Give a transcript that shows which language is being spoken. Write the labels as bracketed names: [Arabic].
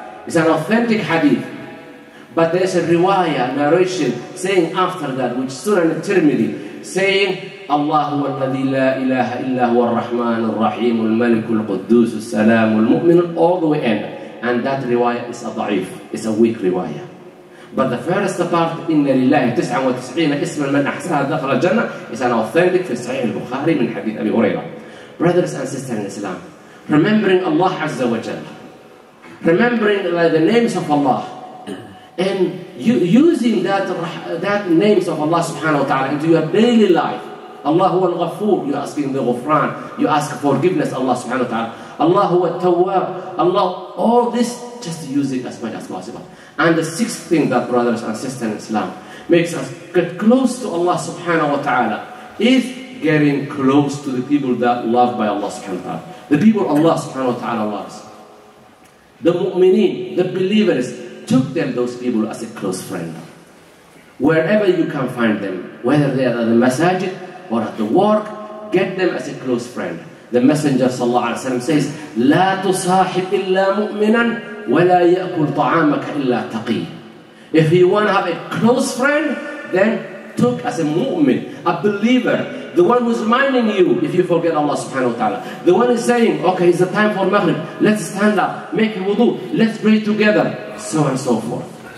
[English] It's an authentic hadith. But there's a riwayah, narration, saying after that, which is Sunan al-Tirmidhi, saying, [Arabic] اللهم الذي لا إله إلا هو الرحمن الرحيم الملك القدوس السلام المؤمن, [English] all the way in. And that riwayah is a da'if, it's a weak riwayah. But the first part, [Arabic] إِنَّ لِلَّهِ 99 إِسْمًا مَنْ أَحْسَنَهَا دَخَلَ الْجَنَّةِ, [English] is an authentic [Arabic] في صحيح البخاري من حديث أبي هريرة. [English] Brothers and sisters in Islam, remembering Allah Azza wa Jal, remembering the names of Allah, and using that names of Allah subhanahu wa ta'ala into your daily life. Allahu al-Ghafoor, you ask in the Ghufran, you ask forgiveness, Allah subhanahu wa ta'ala. Allahu al-Tawwab, Allah, all this, just use it as much as possible. And the sixth thing that brothers and sisters in Islam makes us get close to Allah subhanahu wa ta'ala is getting close to the people that loved by Allah subhanahu wa ta'ala. The people Allah subhanahu wa ta'ala loves. The mu'mineen, the believers, took them, those people, as a close friend. Wherever you can find them, whether they are at the masajid or at the work, get them as a close friend. The Messenger sallallahu alayhi wa sallam says, [Arabic] لَا تُصَاحِبْ إِلَّا مُؤْمِنًا وَلَا يَأْكُلْ طَعَامَكَ إِلَّا تَقِيٍ. [English] If you want to have a close friend, then took as a mu'min, a believer, the one who's reminding you if you forget Allah subhanahu wa ta'ala. The one who's saying, okay, it's the time for Maghrib, let's stand up, make a wudu, let's pray together, so and so forth.